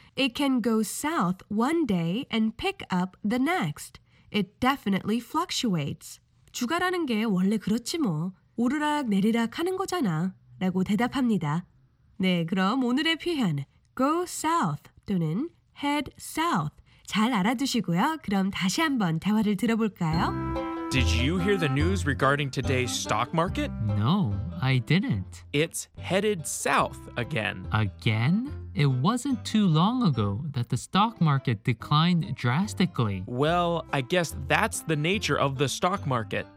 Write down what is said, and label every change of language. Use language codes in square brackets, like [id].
[en] It can go south one day and pick up the next. It definitely fluctuates. [ko] 주가라는 게 원래 그렇지 뭐. 오르락 내리락 하는 거잖아. 라고 대답합니다. 네, 그럼 오늘의 표현 go south 또는 head south 잘 알아두시고요. 그럼 다시 한번 대화를 들어볼까요? [en] Did you hear the news regarding today's stock market? No, I didn't. It's headed south again. Again? It wasn't too long ago that the stock market declined drastically. Well, I guess that's the nature of the stock market.